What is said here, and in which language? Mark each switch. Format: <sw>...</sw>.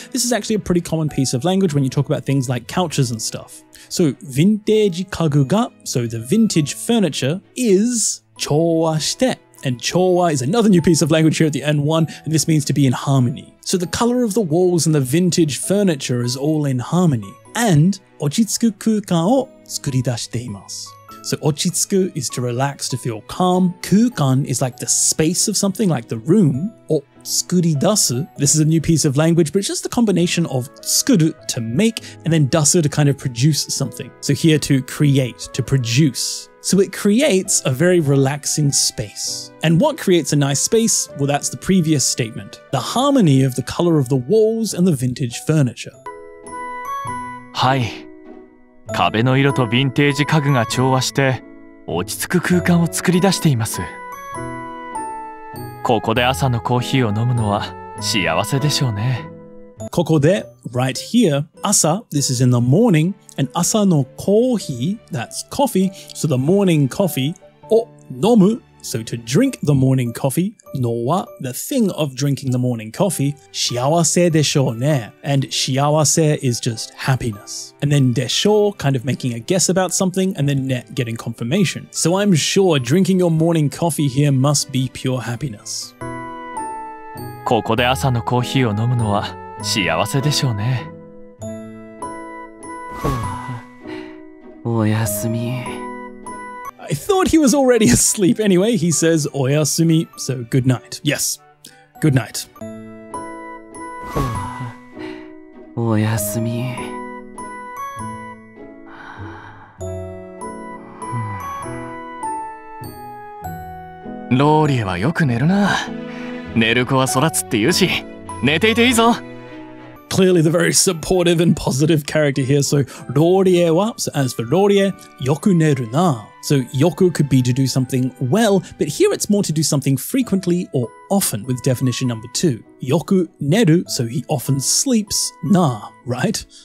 <en>This is actually a pretty common piece of language when you talk about things like couches and stuff. So vintage kagu ga, so the vintage furniture is... 調和して And 調和 is another new piece of language here at the N1, and this means to be in harmony. So the color of the walls and the vintage furniture is all in harmony.</en> <ja>And 落ち着く空間を作り出しています。</ja> <en>So 落ち着く is to relax, to feel calm. 空間 is like the space of something, like the room. 作り出す This is a new piece of language, but it's just the combination of 作る to make, and then 出す to kind of produce something. So here to create, to produce. So it creates a very relaxing space. And what creates a nice space? Well, that's the previous statement. The harmony of the color of the walls and the vintage furniture.</en> <ja>はい。壁の色とヴィンテージ家具が調和して、落ち着く空間を作り出しています。ここで朝のコーヒーを飲むのは幸せでしょうね。</ja> <en>ここで、right here, 朝, this is in the morning, and 朝のコーヒー, that's coffee, so the morning coffee, を飲む, so to drink the morning coffee, のは, the thing of drinking the morning coffee,</en> <ja>幸せでしょうね,</ja> <en>and 幸せ is just happiness. And then でしょう, kind of making a guess about something, and then ね, getting confirmation. So I'm sure drinking your morning coffee here must be pure happiness.</en> <ja>ここで朝のコーヒーを飲むのは、幸せでしょうね。おやすみ。</ja> <en>I thought he was already asleep. Anyway, he says おやすみ So good night. Yes, good night.</en> <ja>おやすみ。ローリエはよく寝るな。寝る子は育つって言うし、寝ていていいぞ。</ja> <en>Clearly the very supportive and positive character here. So, Rorie wa, so as for Rorie,</en> <ja>yoku neru na.</ja> <en>So, yoku could be to do something well, but here it's more to do something frequently or often with definition number two. Yoku neru, so he often sleeps, na, right?</en>